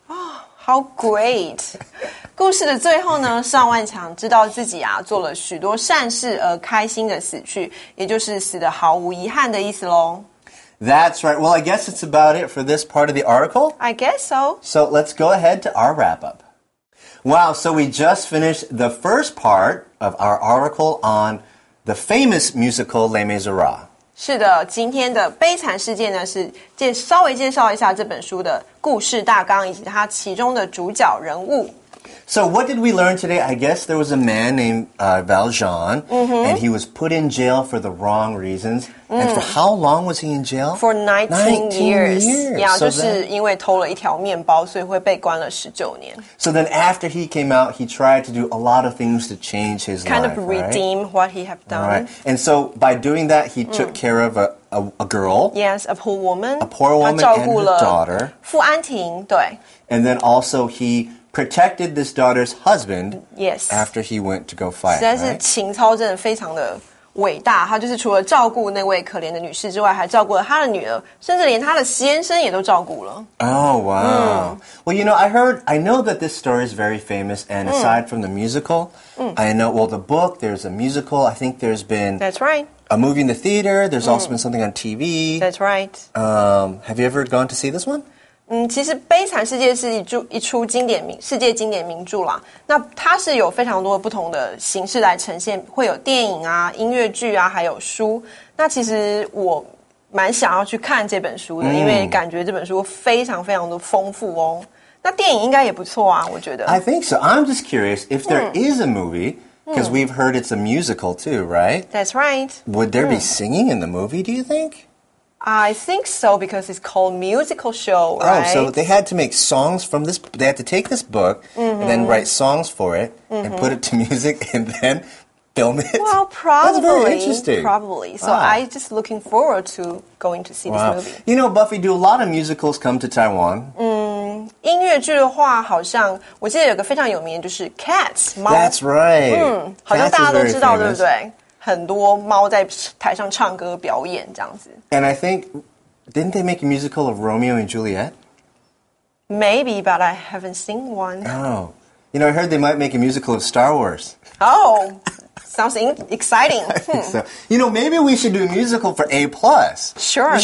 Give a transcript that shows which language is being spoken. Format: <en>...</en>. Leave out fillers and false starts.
<en>Oh, how great.</en> <zh>故事的最后呢，尚万强知道自己啊做了许多善事而开心的死去，也就是死得毫无遗憾的意思咯。</zh> <en>That's right. Well, I guess it's about it for this part of the article. I guess so. So let's go ahead to our wrap-up. Wow, so we just finished the first part of our article on the famous musical Les Miserables.</en> <zh>是的，今天的悲惨世界呢，是稍微介绍一下这本书的故事大纲以及它其中的主角人物。</zh> <en>So what did we learn today? I guess there was a man named Valjean,、mm-hmm. and he was put in jail for the wrong reasons.、Mm. And for how long was he in jail? For 19 years. Yeah, so</en> <zh>就是因为偷了一条面包，所以会被关了十九年。</zh> <en>So then after he came out, he tried to do a lot of things to change his kind life, kind of redeem、 right? what he had done. Right. And so by doing that, he took care of a girl. Yes, a poor woman. A poor woman and her daughter.</en> <zh>傅安婷，对。</zh> <en>And then also he... protected this daughter's husband、 yes. after he went to go fight.</en> <zh>实在是情操真的非常的伟大。他就是除了照顾那位可怜的女士之外，还照顾了他的女儿，甚至连他的先生也都照顾了。</zh> <en>Oh, wow.、Mm. Well, you know, I know that this story is very famous, and aside from the musical,、I know, well, the book, there's a musical, I think there's been... That's right. A movie in the theater, there's also been something on TV. That's right.、 Have you ever gone to see this one?</en> <zh>其实《悲惨世界》是一出经典名世界经典名著啦。那它是有非常多不同的形式来呈现，会有电影啊、音乐剧啊，还有书。那其实我蛮想要去看这本书的，因为感觉这本书非常非常的丰富哦。那电影应该也不错啊，我觉得。</zh> <en>I think so. I'm just curious if there is a movie, because we've heard it's a musical too, right? That's right. Would there be singing in the movie, do you think? I think so, because it's called musical show, right? Oh, so they had to make songs from this, they had to take this book、and then write songs for it、and put it to music and then film it. Well, probably. That's very interesting. Probably. So、I'm just looking forward to going to see、this movie. You know, Buffy, do a lot of musicals come to Taiwan?、</en> <zh>音乐剧的话好像我记得有个非常有名的就是 Cats.</zh> <en>That's right.、</en> <zh>好像大家都知道对不对很多猫在台上唱歌表演这样子。</zh> <en>And I think, didn't they make a musical of Romeo and Juliet? Maybe, but I haven't seen one. Oh. You know, I heard they might make a musical of Star Wars. Oh, sounds exciting. So, you know, maybe we should do a musical for A+. Sure,</en>